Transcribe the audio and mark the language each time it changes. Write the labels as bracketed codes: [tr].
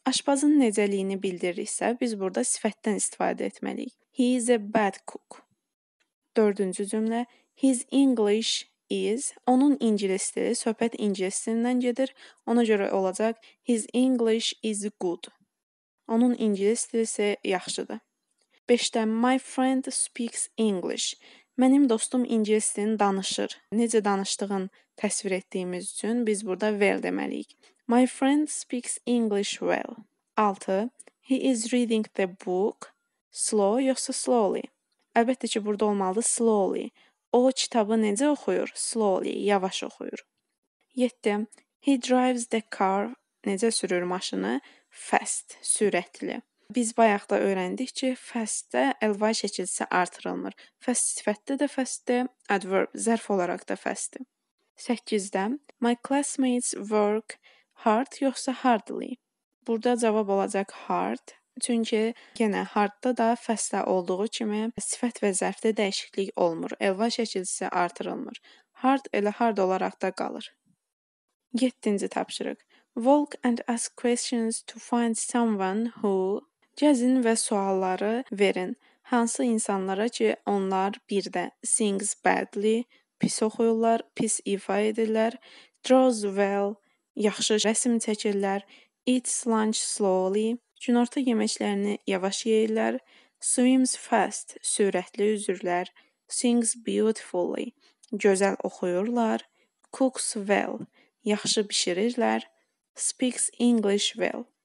[az] Aşbazın necəliyini bildirirsə, biz burada sifətdən istifadə etməliyik. [en] He is a bad cook. [az] Dördüncü cümlə. [en] His English is. [az] Onun ingilisdir. Söhbət ingilisindən gedir. Ona görə olacaq. [en] His English is good. [az] Onun ingilisdir isə yaxşıdır. Beşdə. [en] My friend speaks English. [az] Mənim dostum ingilis dilini danışır. Necə danışdığını təsvir etdiyimiz üçün biz burada well deməliyik. [en] My friend speaks English well. 6. He is reading the book. Slow yoxsa slowly? [az] Əlbəttə ki, burada olmalıdır slowly. O kitabı necə oxuyur? Slowly, yavaş oxuyur. 7. [en] He drives the car. [az] Necə sürür maşını? Fast, sürətli. Biz bayaq da öyrəndik ki, fast-də ly şəkilsi artırılmır. Fast sifətdə də fast-də, adverb, zərf olaraq da fast-də. 8-də, [en] my classmates work hard [az] yoxsa hardly? Burada cavab olacaq hard, çünki yenə hard-da da fast-də olduğu kimi sifət və zərfdə dəyişiklik olmur, ly şəkilsi artırılmır. Hard elə hard olaraq da qalır. 7-ci tapşırıq. [en] Walk and ask questions to find someone who... [az] Gəzin və sualları verin. Hansı insanlara ki, onlar birdə [en] sings badly, [az] pis oxuyurlar, pis ifa edirlər, [en] draws well, [az] yaxşı rəsim çəkirlər, [en] eats lunch slowly, [az] günorta yeməklərini yavaş yeyirlər, [en] swims fast, [az] sürətli üzürlər, [en] sings beautifully, [az] gözəl oxuyurlar, [en] cooks well, [az] yaxşı bişirirlər, [en] speaks English well.